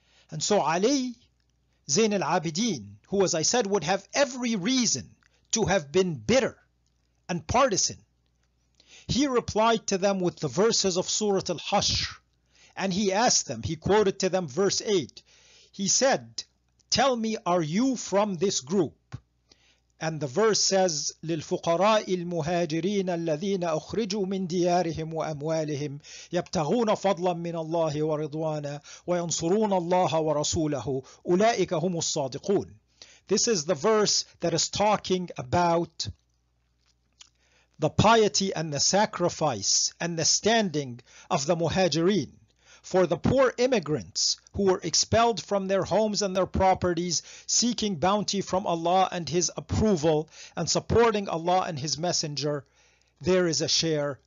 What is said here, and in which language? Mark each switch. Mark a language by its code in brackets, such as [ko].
[en] And so Ali Zain al-Abidin, who, as I said, would have every reason to have been bitter and partisan, he replied to them with the verses of Surah Al-Hashr. And he asked them, he quoted to them verse 8. He said, tell me, are you from this group? And the verse says, [ar] لِلْفُقَرَاءِ الْمُهَاجِرِينَ الَّذِينَ أُخْرِجُوا مِنْ دِيَارِهِمْ وَأَمْوَالِهِمْ يَبْتَغُونَ فَضْلًا مِنَ اللَّهِ وَرِضْوَانًا وَيَنْصُرُونَ اللَّهَ وَرَسُولَهُ أُولَئِكَ هُمُ الصَّادِقُونَ. [en] This is the verse that is talking about the piety and the sacrifice and the standing of the muhajirin, for the poor immigrants who were expelled from their homes and their properties, seeking bounty from Allah and His approval, and supporting Allah and His Messenger, there is a share.